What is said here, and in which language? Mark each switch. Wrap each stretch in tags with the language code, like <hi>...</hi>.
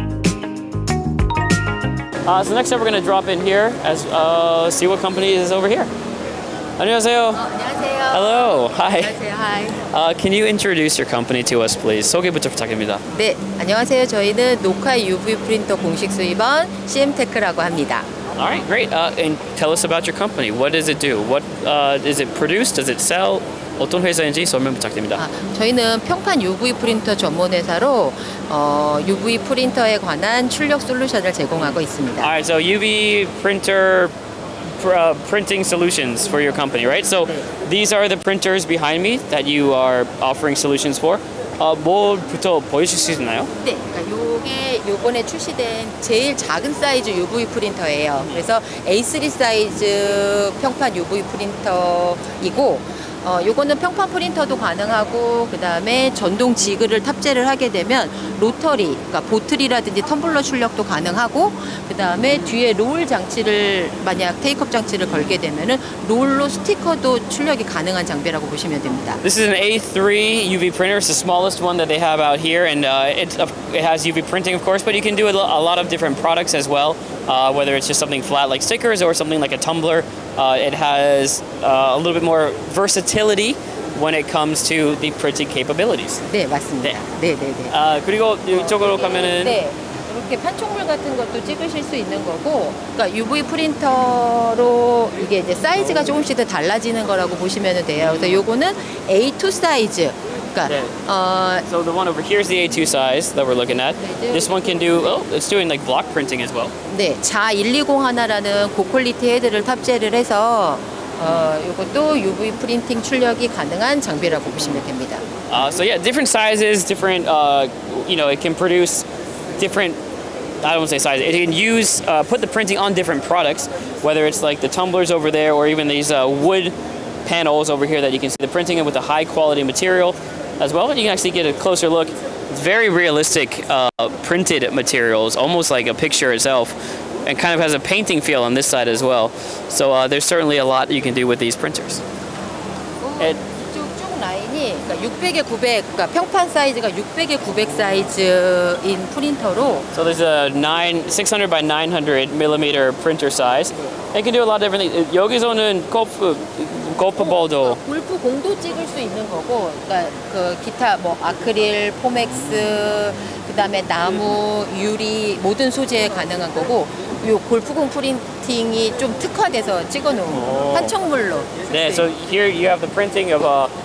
<en>So next up, we're going to drop in here as see what company is over here.</en> <ko>안녕하세요. 안녕하세요.</ko> <en>Hello. Hi.</en> <ko>안녕하세요. Hi.</ko> <en>Can you introduce your company to us, please?</en> <ko>소개부터 부탁드립니다. 네. 안녕하세요. 저희는 노카이 UV 프린터 공식 수입원 씨엠테크라고 합니다.</ko> <en>All right, great. And tell us about your company. What does it do? What is it produce? Does it sell?</en> <ko>어떤 회사인지 설명 부탁드립니다. 저희는 평판 UV 프린터 전문 회사로 UV 프린터에 관한 출력 솔루션을 제공하고 있습니다.</ko> <en>All right, so UV printer printing solutions for your company, right? So these are the printers behind me that you are offering solutions for.</en> <ko>뭐부터 보여주실 수 있나요? 네. 이번에 출시된 제일 작은 사이즈 UV 프린터예요. 그래서 A3 사이즈 평판 UV 프린터이고 이거는 평판 프린터도 가능하고 그 다음에 전동 지그를 탑재를 하게 되면 로터리, 그러니까 보틀이라든지 텀블러 출력도 가능하고 그 다음에 뒤에 롤 장치를 만약 테이크업 장치를 걸게 되면은 롤로 스티커도 출력이 가능한 장비라고 보시면 됩니다.</ko> <en>This is an A3 UV printer. It's the smallest one that they have out here, and it has UV printing, of course, but you can do a lot of different products as well. Whether it's just something flat like stickers or something like a tumbler. It has a little bit more versatility when it comes to the printing capabilities.</en> <ko>네, 맞습니다. 네, 네, 네. 그리고 이쪽으로 가면은 네. 이렇게 판촉물 같은 것도 찍으실 수 있는 거고, 그러니까 UV 프린터로 이게 이제 사이즈가 조금씩 더 달라지는 거라고 보시면 돼요. 그래서 요거는 A2 사이즈. 그러니까 네.</ko> <en>So the one over here is the A2 size that we're looking at. 네, this one can do oh, it's doing like block printing as well.</en> <ko>네. 자 1201이라는 고퀄리티 헤드를 탑재를 해서 이것도 UV 프린팅 출력이 가능한 장비라고 보시면 됩니다.</ko> <en>So yeah, different sizes, different you know, it can produce different, I don't want to say size, it can use, put the printing on different products, whether it's like the tumblers over there or even these wood panels over here that you can see the printing in with the high quality material as well. You can actually get a closer look. It's very realistic printed materials, almost like a picture itself, and kind of has a painting feel on this side as well. So there's certainly a lot you can do with these printers.</en> <ko>600에 900, 그러니까 평판 사이즈가 600에 900 사이즈인 프린터로.</ko> <en>So there's a 600 by 900 millimeter printer size. It can do a lot of different things.</en> <ko>여기서는 골프볼도. 골프 공도 찍을 수 있는 거고, 그러니까 그 기타 뭐 아크릴, 포맥스, 그 다음에 나무, 유리 모든 소재에 가능한 거고. 요 골프공 프린팅이 좀 특화돼서 찍어놓은 판촉물로.</ko> <en>네, so here you have the printing of a.</en>